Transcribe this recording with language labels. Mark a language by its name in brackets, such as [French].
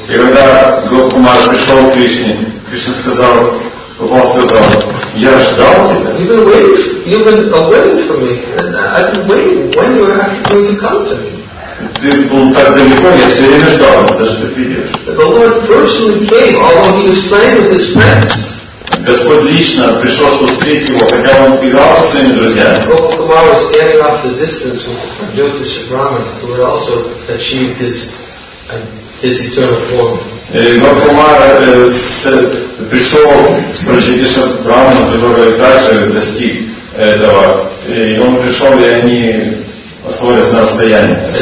[Russian] И когда Гопакумар пришел к Кришне, Кришна сказал, Гопал сказал, я ждал тебя. [English] You've been waiting for me. I've been waiting when you're actually going to come to me. [Russian] Ты был так далеко, я все время ждал, даже ты придешь. [English] The Lord personally came, although he was playing with his friends. [Russian] Господь лично пришел, чтобы встретить его, хотя он играл со своими друзьями. [English] Gopakumar was standing off the distance with Jyotisha Brahman, who had also achieved his eternal form. [Russian] Гопакумар пришел с Прожитишем Брахманом, который также достиг этого. И он пришел, и они оставались на расстоянии.